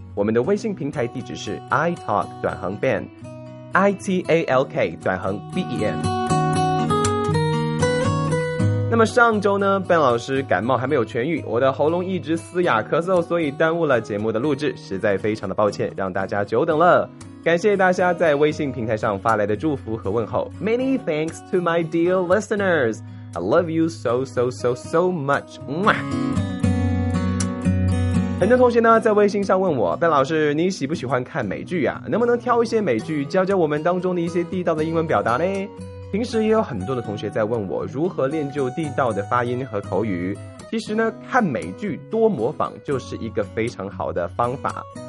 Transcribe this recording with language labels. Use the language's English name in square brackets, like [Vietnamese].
[Chinese] 我们的微信平台地址是 italk-ben italk-ben。那么上周呢， Ben 老师感冒还没有痊愈，我的喉咙一直嘶哑咳嗽，所以耽误了节目的录制，实在非常的抱歉，让大家久等了。感谢大家在微信平台上发来的祝福和问候。 [English] Many thanks to my dear listenersI love you so, so, so, so much. [Chinese] 很多同学呢在微信上问我，贝老师你喜不喜欢看美剧啊？能不能挑一些美剧教教我们当中的一些地道的英文表达呢？平时也有很多的同学在问我如何练就地道的发音和口语。其实呢，看美剧多模仿就是一个非常好的方法。